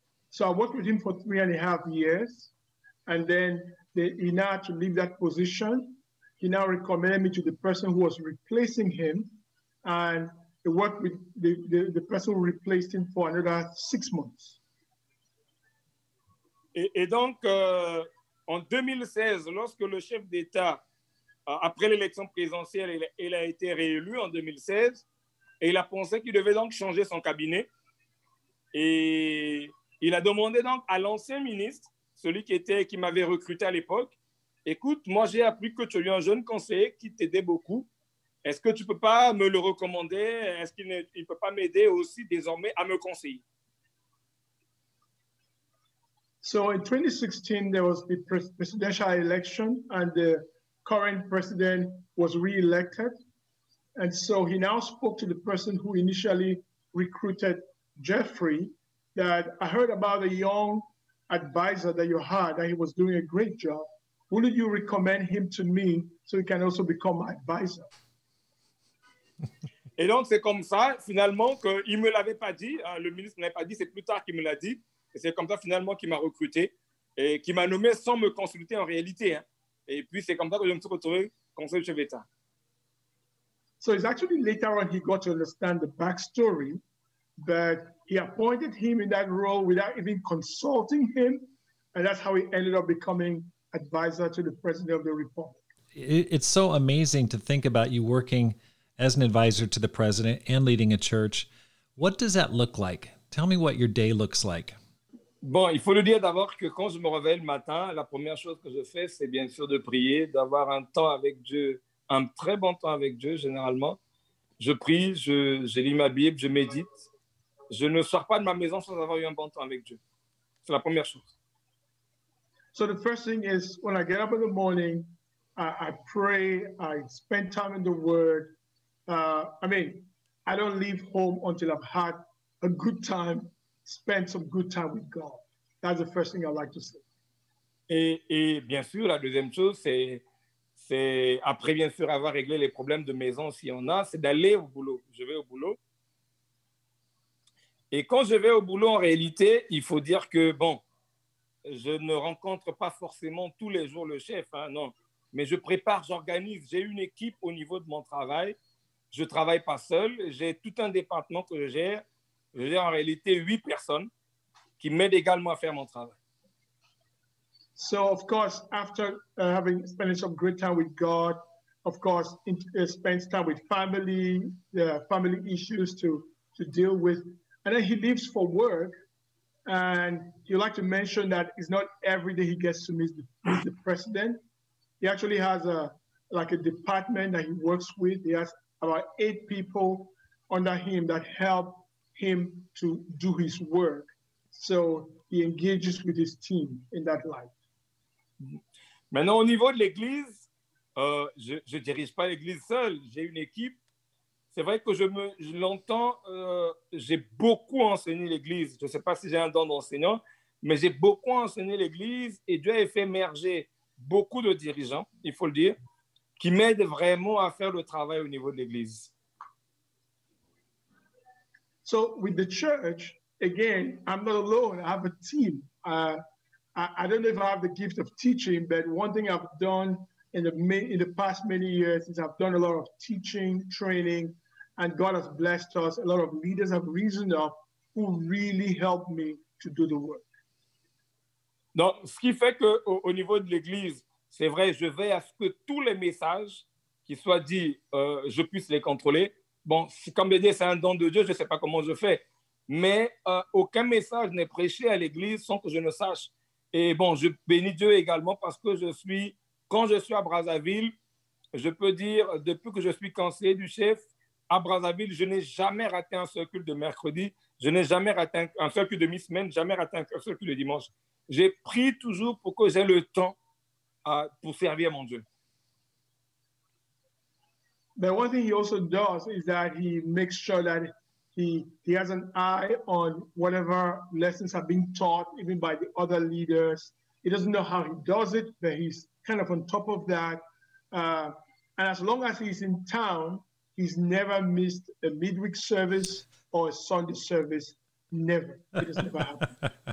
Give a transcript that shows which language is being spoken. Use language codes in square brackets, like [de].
[en] So I worked with him for 3.5 years. And then he now had to leave that position. He now recommended me to the person who was replacing him. And he worked with the person who replaced him for another 6 months. [fr] Et donc, en 2016, lorsque le chef d'État, après l'élection présidentielle, il a été réélu en 2016, et il a pensé qu'il devait donc changer son cabinet. Et il a demandé donc à l'ancien ministre, celui qui m'avait recruté à l'époque, « Écoute, moi j'ai appris que tu as eu un jeune conseiller qui t'aidait beaucoup. Est-ce que tu ne peux pas me le recommander? Est-ce qu'il ne peut pas m'aider aussi désormais à me conseiller ?» [en] So in 2016, there was the presidential election and the current president was re-elected. And so he now spoke to the person who initially recruited Geoffroy, that I heard about a young advisor that you had, that he was doing a great job. Would you recommend him to me so he can also become my advisor? [fr] Et donc c'est comme ça, finalement, qu'il ne me l'avait pas dit, hein, le ministre ne l'avait pas dit, c'est plus tard qu'il me l'a dit. Et c'est comme ça finalement qu'il m'a recruté et qu'il m'a nommé sans me consulter en réalité. Hein. Et puis c'est comme ça que je me suis retrouvé conseiller chef d'État. [en] So it's actually later on he got to understand the backstory, but he appointed him in that role without even consulting him, and that's how he ended up becoming advisor to the president of the republic. It's so amazing to think about you working as an advisor to the president and leading a church. What does that look like? Tell me what your day looks like. [fr] Bon, il faut le dire d'abord que quand je me réveille le matin, la première chose que je fais, c'est bien sûr de prier, d'avoir un temps avec Dieu, un très bon temps avec Dieu, généralement. Je prie, je lis ma Bible, je médite. Je ne sors pas de ma maison sans avoir eu un bon temps avec Dieu. C'est la première chose. [en] So the first thing is, when I get up in the morning, I pray, I spend time in the Word. I don't leave home until I've had a good time, spend some good time with God. That's the first thing I like to say. [fr] Et bien sûr, la deuxième chose, c'est après bien sûr avoir réglé les problèmes de maison, si on a, c'est d'aller au boulot. Je vais au boulot. Et quand je vais au boulot, en réalité, il faut dire que, bon, je ne rencontre pas forcément tous les jours le chef, hein, non. Mais je prépare, j'organise, j'ai une équipe au niveau de mon travail. Je ne travaille pas seul, j'ai tout un département que je gère. J'ai en réalité 8 personnes qui m'aident également à faire mon travail. [en] So, of course, after having spent some great time with God, of course, spends time with family, family issues to deal with. And then he leaves for work. And you like to mention that it's not every day he gets to meet the president. He actually has a department that he works with. He has about 8 people under him that help him to do his work. So he engages with his team in that light. [fr] Maintenant, au niveau de l'église, je ne dirige pas l'église seule. J'ai une équipe. C'est vrai que j'ai beaucoup enseigné l'église. Je ne sais pas si j'ai un don d'enseignant, mais j'ai beaucoup enseigné l'église et Dieu a fait émerger beaucoup de dirigeants, il faut le dire, qui m'aident vraiment à faire le travail au niveau de l'église. [en] So with the church, again, I'm not alone. I have a team. I don't know if I have the gift of teaching, but one thing I've done in the past many years is I've done a lot of teaching, training, and God has blessed us. A lot of leaders have risen up who really helped me to do the work. [fr] Donc, ce qui fait que au niveau de l'Église, c'est vrai, je veille à ce que tous les messages qui soient dits, je puisse les contrôler. Bon, comme je dis, c'est un don de Dieu, je ne sais pas comment je fais. Mais aucun message n'est prêché à l'église sans que je ne sache. Et bon, je bénis Dieu également parce que quand je suis à Brazzaville, je peux dire, depuis que je suis conseiller du chef, à Brazzaville, je n'ai jamais raté un seul culte de mercredi. Je n'ai jamais raté un seul culte de mi-semaine, jamais raté un seul culte de dimanche. J'ai prié toujours pour que j'aie le temps pour servir mon Dieu. [en] But one thing he also does is that he makes sure that he has an eye on whatever lessons are being taught, even by the other leaders. He doesn't know how he does it, but he's kind of on top of that. And as long as he's in town, he's never missed a midweek service or a Sunday service. Never. It has never happened.